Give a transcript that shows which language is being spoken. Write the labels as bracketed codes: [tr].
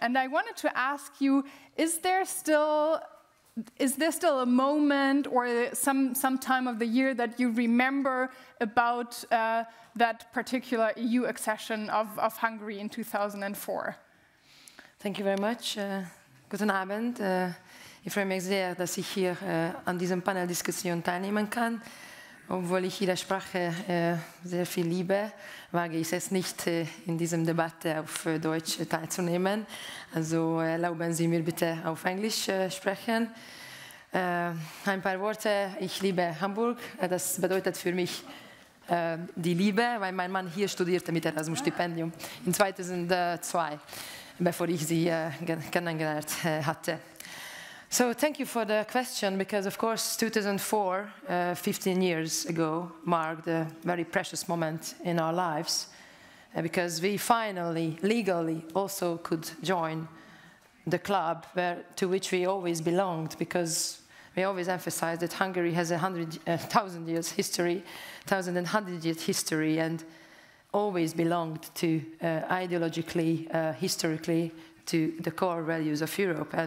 [en] And I wanted to ask you, is there still a moment or some time of the year that you remember about that particular EU accession of Hungary in 2004? Thank you very much. [de] Guten Abend. Ich freue mich sehr, dass ich hier an diesem Paneldiskussion teilnehmen kann. Obwohl ich Ihre Sprache sehr viel liebe, wage ich es nicht, in diesem Debatte auf Deutsch teilzunehmen. Also erlauben Sie mir bitte auf Englisch sprechen. Ein paar Worte. Ich liebe Hamburg. Das bedeutet für mich die Liebe, weil mein Mann hier studierte mit Erasmus-Stipendium in 2002, bevor ich sie kennengelernt hatte. [en] So thank you for the question, because of course 2004, 15 years ago, marked a very precious moment in our lives, because we finally, legally, also could join the club to which we always belonged, because we always emphasized that Hungary has a 100,000 years history, 1,100 years history, and always belonged to ideologically, historically, to the core values of Europe.